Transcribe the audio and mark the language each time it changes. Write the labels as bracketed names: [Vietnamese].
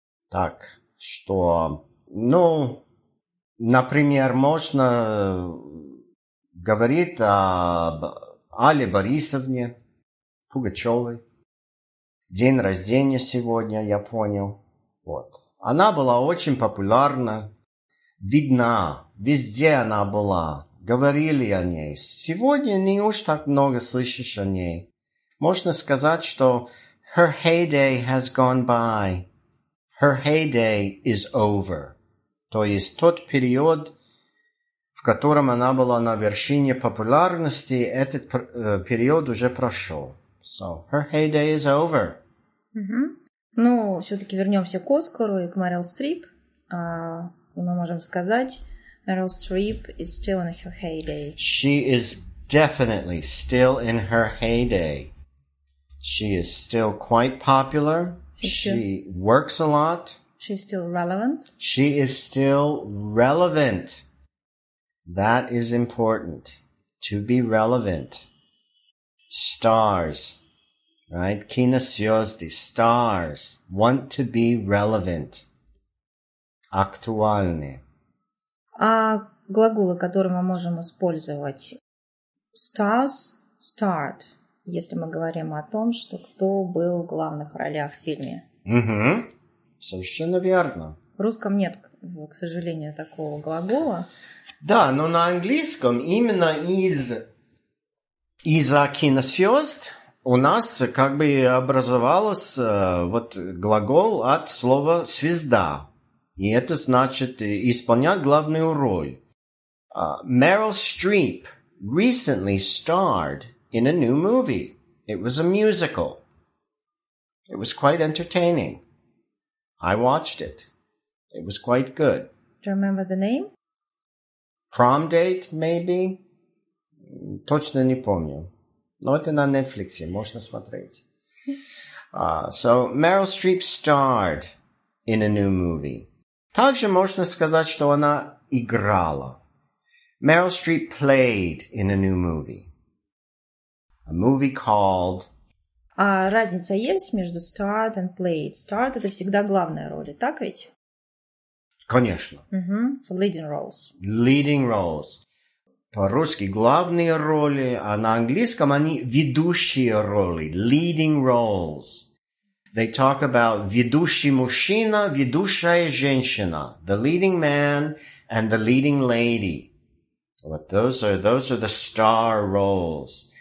[Russian] Так, что, ну, например, можно говорить об Алле Борисовне Пугачевой. День рождения сегодня, я понял. Вот. Она была очень популярна, видна, везде она была. Говорили о ней. Сегодня не уж так много слышишь о ней. Можно сказать, что [English] her heyday has gone by. Her heyday is over. [Russian] То есть тот период, в котором она была на вершине популярности, этот период уже прошел. [English] So, her heyday is over. Угу. [Russian] Ну, все-таки вернемся к Оскару и к Мэрил Стрип. Мы можем сказать, Мэрил Стрип [English] is still in her heyday. She is definitely still in her heyday. She is still quite popular. She works a lot. She's still relevant. She is still relevant. That is important. To be relevant. Stars. Right? [Russian] Кинозвезды. [English] Stars. Want to be relevant. [Russian] Актуальны. А глаголы, которые мы можем использовать? [English] Stars. Start. [Russian] Если мы говорим о том, что кто был в главных ролях в фильме. Угу. Совершенно верно. В русском нет, к сожалению, такого глагола. Да, но на английском именно из-за кинозвезд у нас как бы образовался вот глагол от слова «звезда». И это значит исполнять главную роль. [English] Meryl Streep recently starred in a new movie. It was a musical. It was quite entertaining. I watched it. It was quite good. Do you remember the name? Prom Date, maybe? [Russian] Точно не помню. Но это на Netflix, можно смотреть. [English] So, Meryl Streep starred in a new movie. [Russian] Также можно сказать, что она играла. [English] Meryl Streep played in a new movie. A movie called... [Russian] А разница есть между [English] start and played? [Russian] Start – это всегда главная роль, так ведь? Конечно. [English] Mm-hmm. So leading roles. Leading roles. [Russian] По-русски главные роли, а на английском они ведущие роли. [English] Leading roles. They talk about [Russian] ведущий мужчина, ведущая женщина. [English] The leading man and the leading lady. But those are the star roles.